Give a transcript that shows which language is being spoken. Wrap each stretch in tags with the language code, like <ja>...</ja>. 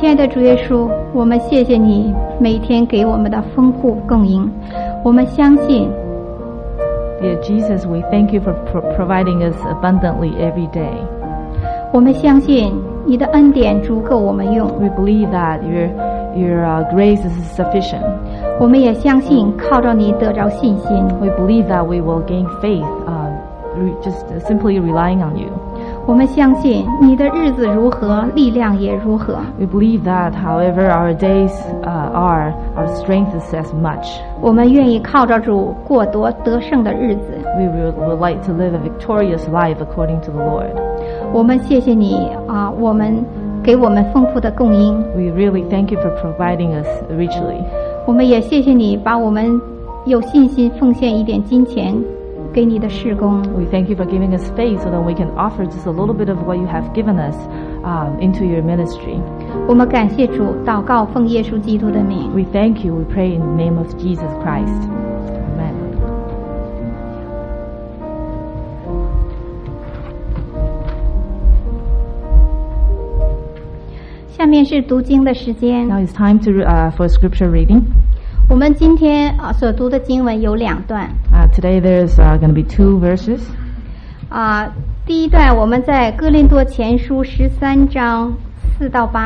<zh>主耶稣，我们谢谢你每天给我们的丰富供应，我们相信。</zh> <en>Dear Jesus, we thank you for providing us abundantly every day.</en> <zh>我们相信你的恩典足够我们用。</zh> <en>We believe that your grace is sufficient.</en> <zh>我们也相信靠着你得着信心。</zh> <en>We believe that we will gain faith, just simply relying on you.</en> <zh>我们相信你的日子如何，力量也如何。</zh> <en>We believe that, however our days are, our strength is as much.</en> <zh>我们愿意靠着主过多得胜的日子。</zh> <en>We would like to live a victorious life according to the Lord.</en> <zh>我们谢谢你我们给我们丰富的供应。 We really thank you for providing us richly. 我们也谢谢你把我们有信心奉献一点金钱。给你的事工。</zh> <en>We thank you for giving us faith so that we can offer just a little bit of what you have given us into your ministry.</en> <zh>我们感谢主，祷告奉耶稣基督的名。</zh> <en>We thank you, we pray in the name of Jesus Christ. Amen.</en> <zh>下面是读经的时间。</zh> <en>Now it's time to, for scripture reading.</en> <zh>我们今天所读的经文有两段。</zh> <en>Today there's going to be two verses.</en> <zh>第一段我们在哥林多前书13章4到8节。</zh>